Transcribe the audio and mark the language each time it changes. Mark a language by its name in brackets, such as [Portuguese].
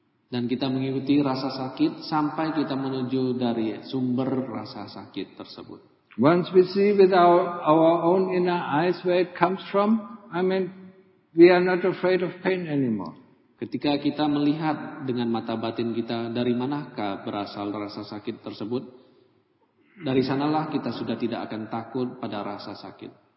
[Indonesian] Dan kita mengikuti rasa sakit sampai kita menuju dari sumber rasa sakit tersebut. [English] Once we see with our own inner eyes where it comes from, we are not afraid of pain anymore. [Indonesian] Ketika kita melihat dengan mata batin kita dari manakah berasal rasa sakit tersebut, dari sanalah kita sudah tidak akan takut pada rasa sakit.